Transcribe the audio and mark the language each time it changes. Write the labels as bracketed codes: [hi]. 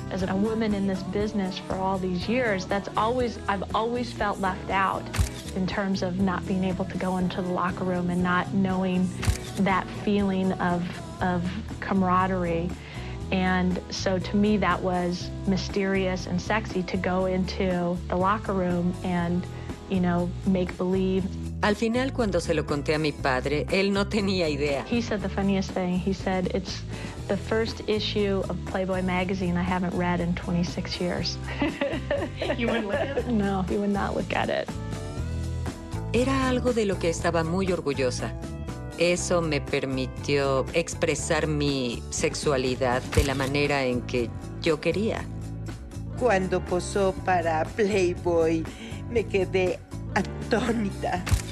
[en] As a woman in this business for all these years, I've always felt left out in terms of not being able to go into the locker room and not knowing that feeling of camaraderie. And so to me that was mysterious and sexy to go into the locker room and, you know, make believe. [es] Al final, cuando se lo conté a mi padre, él no tenía idea. [en] He said the funniest thing. He said, it's the first issue of Playboy magazine I haven't read in 26 years. You wouldn't look at it? No, he would not look at it. [es] Era algo de lo que estaba muy orgullosa. Eso me permitió expresar mi sexualidad de la manera en que yo quería. Cuando posó para Playboy, me quedé atónita.